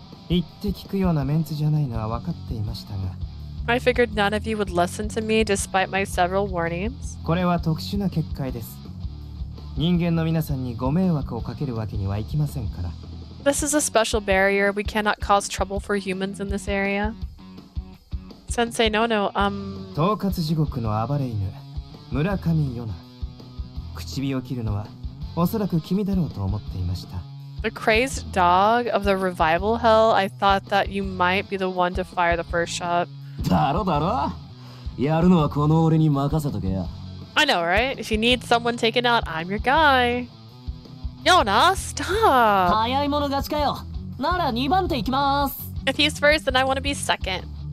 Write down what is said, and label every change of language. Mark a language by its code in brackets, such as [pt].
[en] I figured none of you would listen to me despite my several warnings. This is a special barrier. We cannot cause trouble for humans in this area. Sensei Nono, [ja] 統括地獄の暴れ犬村上ヨナ、口火を切るのはおそらく君だろうと思っていました。 [en] The crazed dog of the revival hell, I thought that you might be the one to fire the first shot. [ja] だろだろ。やるのはこの俺に任せとけよ。 [en] I know, right? If you need someone taken out, I'm your guy. Yona, stop! [ja] 早い者勝ちかよ。なら2番手行きます。 [en] If he's first, then I want to be second.